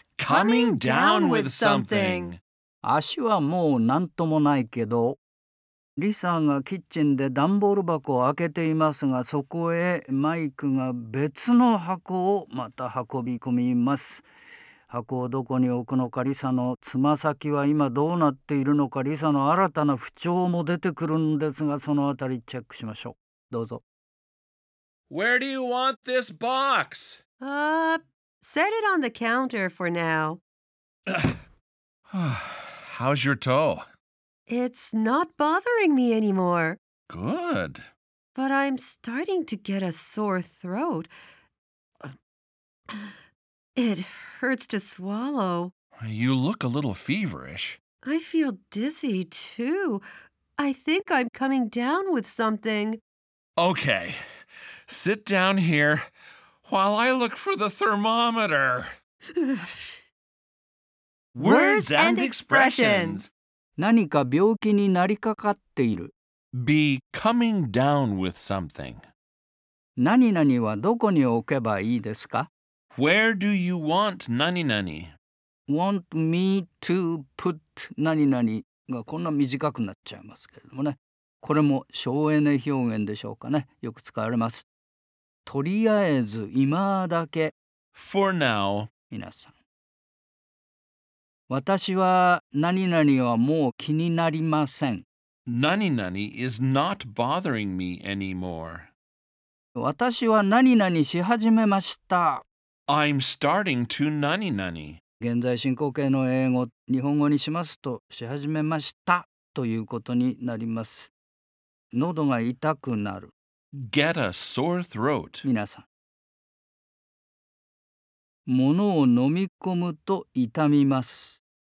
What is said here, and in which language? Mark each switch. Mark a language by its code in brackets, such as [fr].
[en] Coming down with something. [ja] 足はもうなんともないけど。リさんがキッチンで段ボール箱を開けていますが、そこへマイクが別の箱をまた運び込みます。箱をどこに置くのか、リサのつま先は今どうなっているのか、リサの新たな不調も出てくるんですが、そのあたりチェックしましょう。どうぞ。 [en] Where do you want this box? Set it on the counter for now. How's your toe? It's not bothering me anymore. Good. But I'm starting to get a sore throat. It hurts to swallow. You look a little feverish. I feel dizzy, too. I think I'm coming down with something. Okay. Sit down here while I look for the thermometer. Words and expressions. [ja] 何か病気になりかかっている。 [en] Be coming down with something. [ja] 何々はどこに置けばいいですか？ [en] Where do you want [ja] 何々? [en] Want me to put [ja] 何々がこんな短くなっちゃいますけれどもね。これも省エネ表現でしょうかね。よく使われます。とりあえず今だけ。 [en] For now. [ja] 皆さん。私は何々はもう気になりません。 [en] 何々 is not bothering me anymore. [ja] 私は何々し始めました。 [en] I'm starting to 何々。 [ja] 現在進行形の英語、日本語にしますと、し始めましたということになります。喉が痛くなる。 [en] Get a sore throat. [ja] 皆さん。物を飲み込むと痛みます。